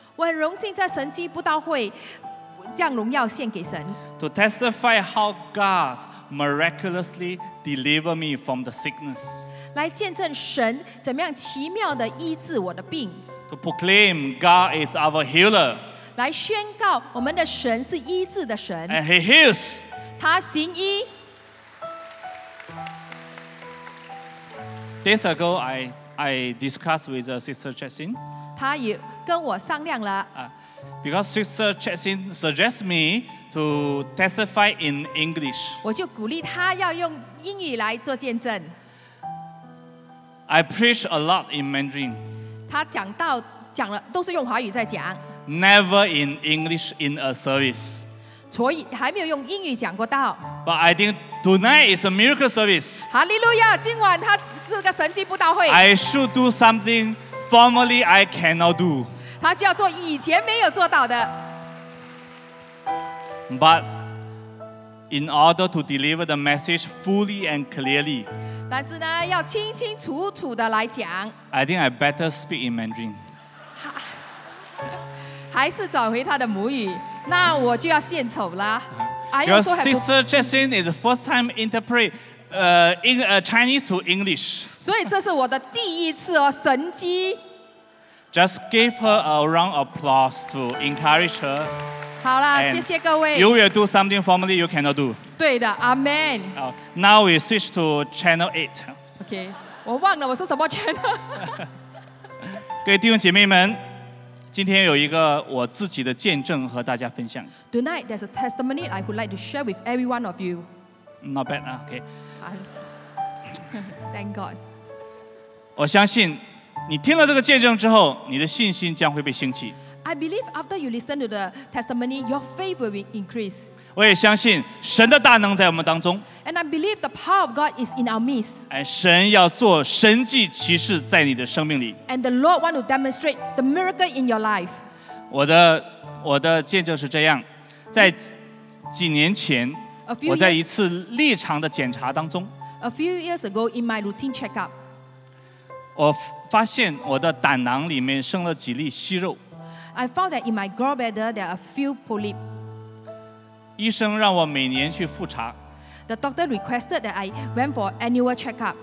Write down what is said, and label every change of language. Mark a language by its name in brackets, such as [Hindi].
[Chinese] 我很荣幸在神迹布道会将荣耀献给神。 [English] To testify how God miraculously delivered me from the sickness. [Chinese] 来见证神怎么样奇妙地医治我的病。 [English] To proclaim God is our healer. [Chinese] 来宣告我们的神是医治的神 [English] And he heals [Chinese] 他行医 [English] Days ago I discussed with Sister Chasin [Chinese] 他也跟我商量了、 [English] Because Sister Chasin suggests me to testify in English [Chinese] 我就鼓励他要用英语来做见证 [English] I preach a lot in Mandarin [Chinese] 他讲到讲了都是用华语在讲 [English] Never in English in a service. [Chinese] 所以还没有用英语讲过道。 [English] But I think tonight is a miracle service. Hallelujah! [Chinese] 今晚它是个神迹布道会。 [English] I should do something formerly I cannot do. [Chinese] 它就要做以前没有做到的。 [English] But in order to deliver the message fully and clearly, [Chinese] 但是呢，要清清楚楚的来讲。 [English] I think I better speak in Mandarin. [Chinese] 还是找回他的母语，那我就要献丑了。 [English] Your sister Jessine is the first time interpret, in Chinese to English. [Chinese] 所以这是我的第一次哦，神迹。 [English] Just give her a round of applause to encourage her. [Chinese] 好了，谢谢各位。 [English] You will do something formally you cannot do. [Chinese] 对的 ，Amen. [English] Now we switch to channel 8. [Chinese] Okay, 我忘了我是什么 channel. 各位弟兄姐妹们。今天有一个我自己的见证和大家分享。 [English] Tonight there's a testimony I would like to share with every one of you. Not bad, okay. Thank God. [Chinese] 我相信你听了这个见证之后，你的信心将会被兴起。 [English] I believe after you listen to the testimony, your faith will be increased. [Chinese] 我也相信神的大能在我们当中。 [English] And I believe the power of God is in our midst. [Chinese] 神要做神迹奇事在你的生命里。 [English] And the Lord wants to demonstrate the miracle in your life. [Chinese] 我的见证是这样，在几年前，我在一次立场的检查当中。 [English] A few years ago, in my routine checkup, [Chinese] 我发现我的胆囊里面生了几粒息肉。 [English] I found that in my gallbladder there are a few polyps. [Chinese] 医生让我每年去复查。 [English] The doctor requested that I went for annual checkup.